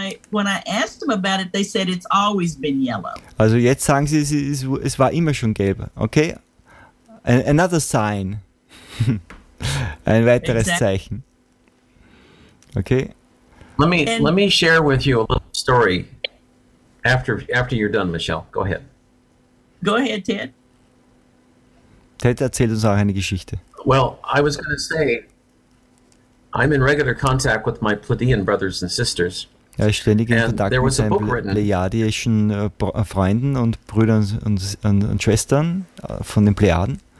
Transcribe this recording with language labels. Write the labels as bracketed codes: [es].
[en] When I asked them about it, they said it's always been yellow. [de] Also jetzt sagen sie, es war immer schon gelb. [en] Okay? Another sign. [de] Ein weiteres Zeichen. [en] Okay? Let me share with you a little story after you're done, Michelle. Go ahead. Go ahead, Ted. [de] Ted erzählt uns auch eine Geschichte. [en] Well, I was going to say, I'm in regular contact with my Pleiadian brothers and sisters. [de] Er ist ständig in Kontakt mit seinen plejadischen Freunden und Brüdern und Schwestern von den Plejaden.